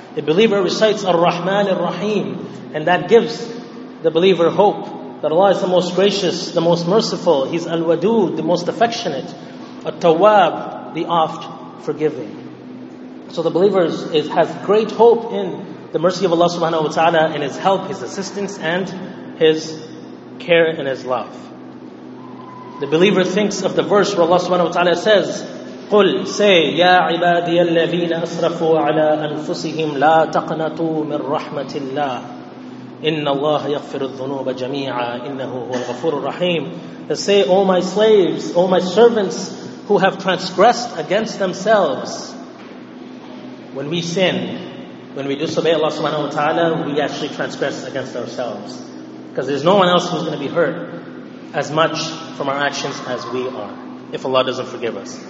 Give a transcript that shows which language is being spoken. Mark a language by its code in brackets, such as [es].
[en] The believer recites Ar-Rahman Ar-Rahim, and that gives the believer hope that Allah is the most gracious, the most merciful. He's Al-Wadud, the most affectionate. At-Tawwab, the oft forgiving. So the believer has great hope in the mercy of Allah subhanahu wa ta'ala, in His help, His assistance, and His care and His love. The believer thinks of the verse where Allah subhanahu wa ta'ala says, [ar] قُلْ [en] say, [ar] يَا عِبَادِيَ الَّذِينَ أَسْرَفُوا عَلَىٰ أَنفُسِهِمْ لَا تَقْنَطُوا مِنْ رَحْمَةِ اللَّهِ إِنَّ اللَّهَ يَغْفِرُ الذُّنُوبَ جَمِيعًا إِنَّهُ هُوَ الْغَفُورُ الرَّحِيمُ. [en] Say, O my slaves, O my servants who have transgressed against themselves. When we sin, when we disobey Allah subhanahu wa ta'ala, we actually transgress against ourselves. Because there's no one else who's going to be hurt as much from our actions as we are, if Allah doesn't forgive us.